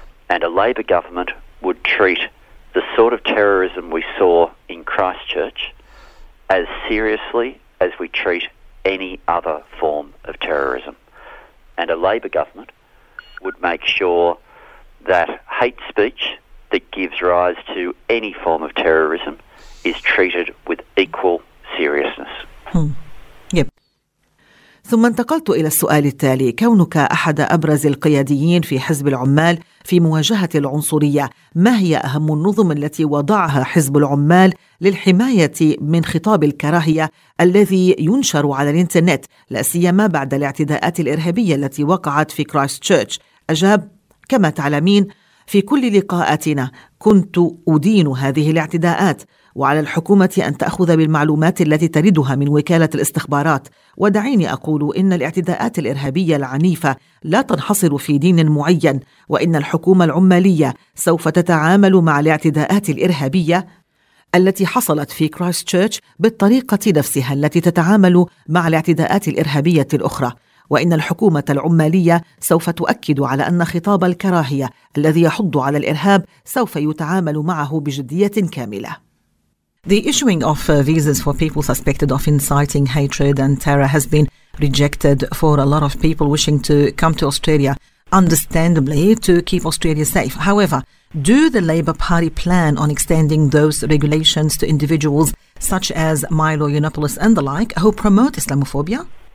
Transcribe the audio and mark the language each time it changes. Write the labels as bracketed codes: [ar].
[en] And a Labor government would treat the sort of terrorism we saw in Christchurch as seriously as we treat any other form of terrorism. And a Labor government would make sure that hate speech that gives rise to any form of terrorism is treated with equal seriousness. [ar] ثم انتقلت إلى السؤال التالي. كونك أحد أبرز القياديين في حزب العمال في مواجهة العنصرية، ما هي أهم النظم التي وضعها حزب العمال للحماية من خطاب الكراهية الذي ينشر على الإنترنت، لا سيما بعد الاعتداءات الإرهابية التي وقعت في كرايستشيرتش؟ أجاب: كما تعلمين، في كل لقاءاتنا كنت أدين هذه الاعتداءات، وعلى الحكومة أن تأخذ بالمعلومات التي تريدها من وكالة الاستخبارات. ودعيني أقول إن الاعتداءات الإرهابية العنيفة لا تنحصر في دين معين، وإن الحكومة العمالية سوف تتعامل مع الاعتداءات الإرهابية التي حصلت في كرايستشيرتش بالطريقة نفسها التي تتعامل مع الاعتداءات الإرهابية الأخرى، وإن الحكومة العمالية سوف تؤكد على أن خطاب الكراهية الذي يحض على الإرهاب سوف يتعامل معه بجدية كاملة. [en] The issuing of visas for people suspected of inciting hatred and terror has been rejected for a lot of people wishing to come to Australia, understandably, to keep Australia safe. However, do the Labour Party plan on extending those regulations to individuals such as Milo Yiannopoulos and the like who promote Islamophobia?